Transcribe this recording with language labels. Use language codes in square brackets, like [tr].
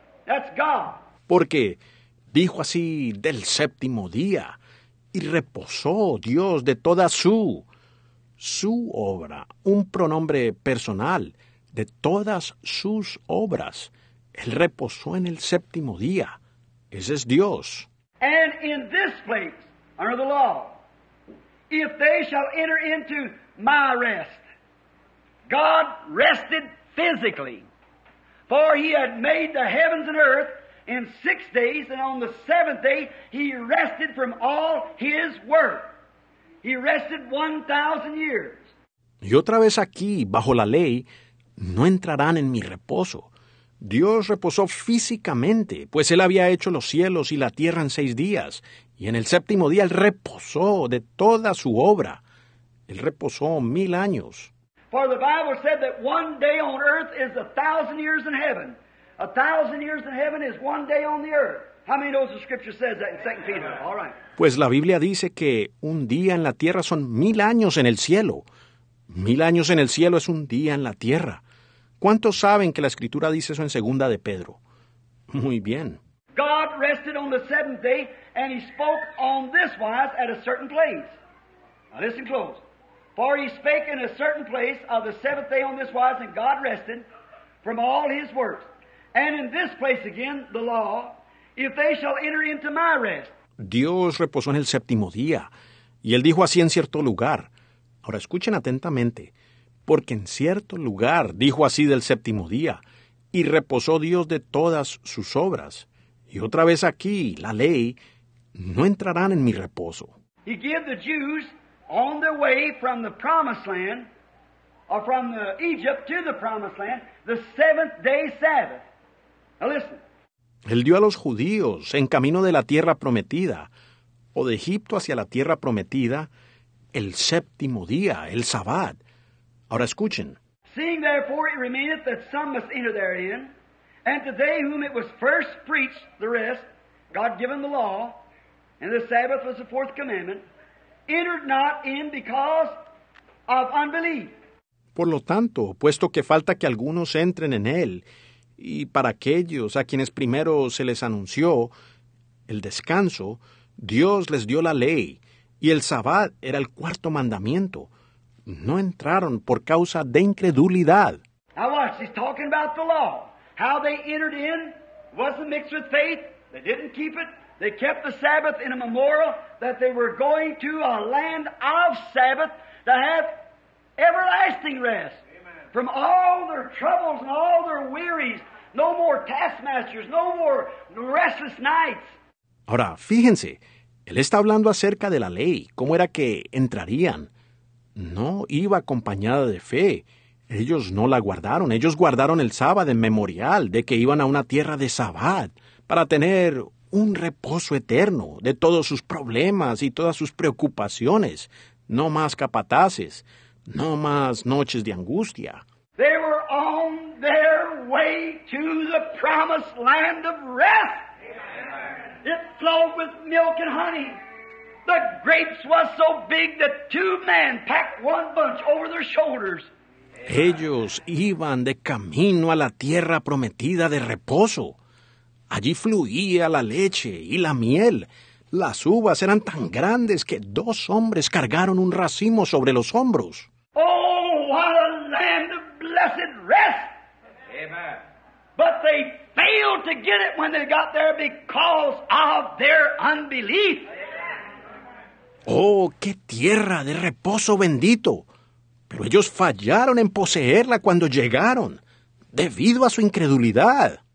[en] That's God. [es] Porque dijo así, del séptimo día, y reposó Dios de toda su obra, un pronombre personal, de todas sus obras. Él reposó en el séptimo día. Ese es Dios. [en] And in this place, under the law, if they shall enter into my rest, God rested physically, for he had made the heavens and earth in 6 days, and on the seventh day he rested from all his work. He rested 1,000 years. [es] Y otra vez aquí, bajo la ley, no entrarán en mi reposo. Dios reposó físicamente, pues él había hecho los cielos y la tierra en 6 días, y en el séptimo día él reposó de toda su obra. Él reposó 1,000 años. [en] For the Bible said that one day on earth is 1,000 years in heaven. 1,000 years in heaven is one day on the earth. How many knows the scripture says that in 2 Peter? All right. [es] Pues la Biblia dice que un día en la tierra son 1,000 años en el cielo. 1,000 años en el cielo es un día en la tierra. ¿Cuántos saben que la escritura dice eso en 2 de Pedro? Muy bien. [en] God rested on the seventh day, and he spoke on this wise at a certain place. Now listen close. For he spake in a certain place of the seventh day on this wise, and God rested from all his works. And in this place again, the law, if they shall enter into my rest. [es] Dios reposó en el séptimo día, y él dijo así en cierto lugar. Ahora escuchen atentamente, porque en cierto lugar dijo así del séptimo día, y reposó Dios de todas sus obras. Y otra vez aquí, la ley, no entrarán en mi reposo. [en] He gave the Jews on their way from the promised land, or from the Egypt to the promised land, the seventh day Sabbath. Now listen. [es] Él dio a los judíos en camino de la tierra prometida, o de Egipto hacia la tierra prometida, el séptimo día, el Sabbat. Ahora escuchen. [en] Seeing therefore it remaineth that some must enter therein, and to they whom it was first preached, the rest, God given the law, and the Sabbath was the fourth commandment, entered not in because of unbelief. [es] Por lo tanto, puesto que falta que algunos entren en él, y para aquellos a quienes primero se les anunció el descanso, Dios les dio la ley, y el Sabbat era el cuarto mandamiento. No entraron por causa de incredulidad. [en] Now watch, he's talking about the law. How they entered in wasn't mixed with faith. They didn't keep it. They kept the Sabbath in a memorial that they were going to a land of Sabbath to have everlasting rest. Amen. From all their troubles and all their wearies. No more taskmasters, no more restless nights. [es] Ahora, fíjense, él está hablando acerca de la ley, cómo era que entrarían. No iba acompañada de fe. Ellos no la guardaron. Ellos guardaron el sábado en memorial de que iban a una tierra de sabbat para tener un reposo eterno de todos sus problemas y todas sus preocupaciones. No más capataces. No más noches de angustia. [en] They were on their way to the promised land of rest. It flowed with milk and honey. The grapes was so big that 2 men packed 1 bunch over their shoulders. [es] Ellos iban de camino a la tierra prometida de reposo. Allí fluía la leche y la miel. Las uvas eran tan grandes que 2 hombres cargaron un racimo sobre los hombros. [en] Oh, what a land of blessed rest! Amen. But they failed to get it when they got there because of their unbelief. [es] Oh, qué tierra de reposo bendito. Pero ellos fallaron en poseerla cuando llegaron, debido a su incredulidad.